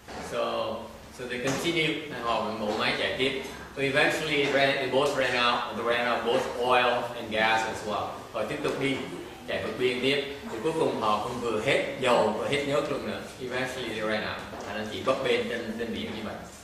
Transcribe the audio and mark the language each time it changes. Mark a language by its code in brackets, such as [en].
[en] So they continued, and [vi] họ mổ máy chạy tiếp. [en] So eventually, they both ran out both oil and gas as well. [vi] Họ tiếp tục đi chạy vượt biên tiếp. Thì cuối cùng họ không vừa hết dầu vừa hết nhớt luôn nữa. [en] Eventually, they ran out. [vi] Thành ra chỉ bấp bênh trên biển như vậy.